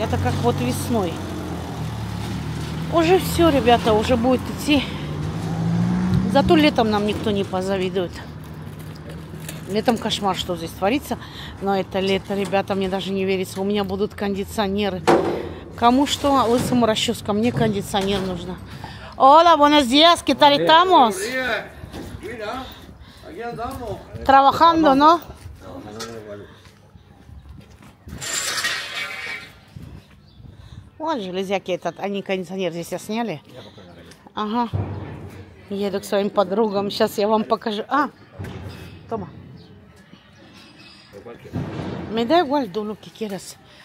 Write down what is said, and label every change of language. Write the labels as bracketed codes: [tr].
[ru] Это как вот весной. Уже все, ребята, уже будет идти. Зато летом нам никто не позавидует. Летом кошмар, что здесь творится. Но это лето, ребята, мне даже не верится. У меня будут кондиционеры. Кому что, лысому расческа. Мне кондиционер нужно. [es] Hola, buenos días, ¿qué tal estamos? Mira, aquí andamos. Trabajando, ¿no? [ru] Вот железяки этот, они кондиционер здесь я сняли. Ага. Еду к своим подругам, сейчас я вам покажу. А, Тома. [es] Me da igual, do lo que quieras.